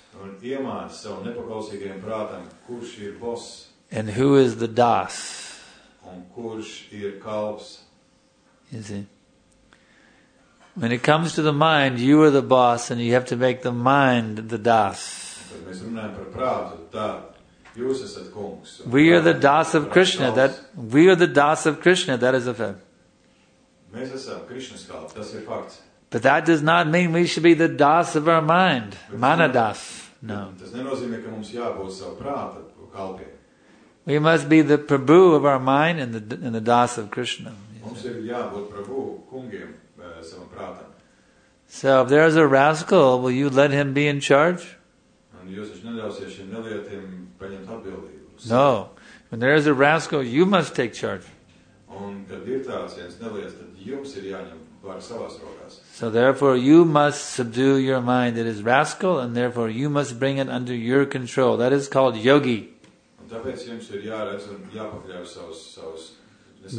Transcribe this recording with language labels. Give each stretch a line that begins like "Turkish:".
English: And who is the das.
Latvian: Un kurš ir kalps?
English: You see? When it comes to the mind, you are the boss and you have to make the mind the das.
Latvian: Mēs runājam par prātu, tā. Jūs esat kungs.
English: We are the das of Krishna. We are the das of Krishna. That is a fact.
Latvian: Mēs esam Krishna's kalps. Tas ir fakts.
English: But that does not mean we should be the das of our mind. Manadas. No.
Latvian: Tas nenozīmē, ka mums jābūt savu prātu kalpi.
English: We must be the Prabhu of our mind and the Das of Krishna.
Latvian: Mums ir jābūt Prabhu kungiem savam prātam.
English: So if there is a rascal, will you let him be in charge?
Latvian: un jūs taču neļausiet šiem nelietiem paņemt atbildību.
English: No. When there is a rascal, you must take charge.
Latvian: Un kad ir tāds viens neliets, tad jums ir jāņem var savās rokās.
English: So therefore you must subdue your mind that is rascal and therefore you must bring it under your control. That is called yogi.
Latvian: Un tāpēc jums ir jāredz un jāpakļauj savus